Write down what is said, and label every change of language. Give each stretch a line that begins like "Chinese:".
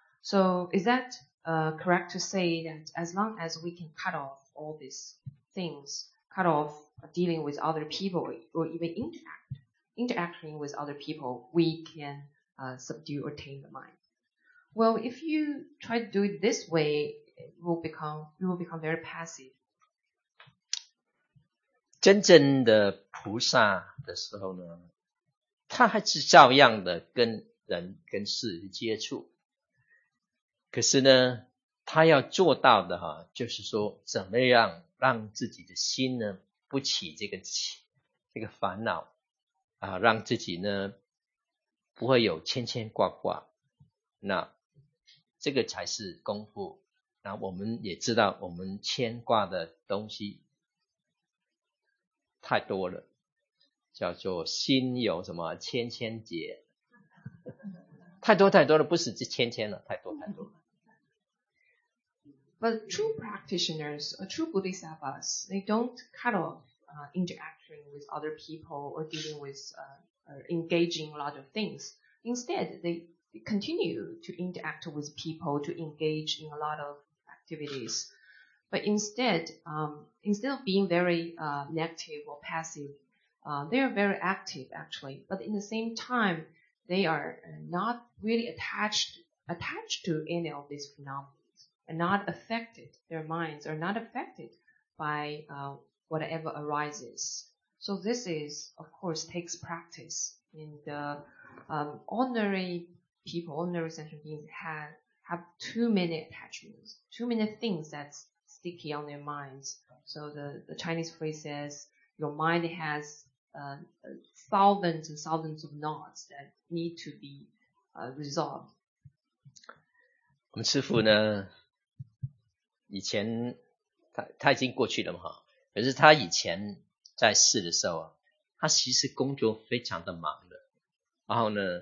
English: So is that correct to say that as long as we can cut off all these things, cut off dealing with other people or even interacting with other people, we can subdue or tame the mind? Well, if you try to do it this way, you will become very passive.
Chinese: 真正的菩萨的时候呢，他还是照样的跟人跟事接触。可是呢，他要做到的哈，就是说怎么样让自己的心呢不起这个烦恼啊，让自己呢不会有牵牵挂挂，那这个才是功夫。那我们也知道，我们牵挂的东西太多了，叫做心有什么千千结，太多太多了，不是这千千了，太多太多了。
English: But true practitioners, true bodhisattvas, they don't cut off interacting with other people or dealing with engaging a lot of things. Instead, they continue to interact with people to engage in a lot of activities. But instead of being very negative or passive, they are very active actually. But in the same time, they are not really attached to any of these phenomena. And not affected, their minds are not affected by whatever arises. So this is, of course, takes practice. And the ordinary people, ordinary sentient beings have too many attachments, too many things that's sticky on their minds. So the Chinese phrase says, your mind has thousands and thousands of knots that need to be resolved.
Chinese: 我们师父呢以前他已经过去了嘛，可是他以前在世的时候啊，他其实工作非常的忙的，然后呢，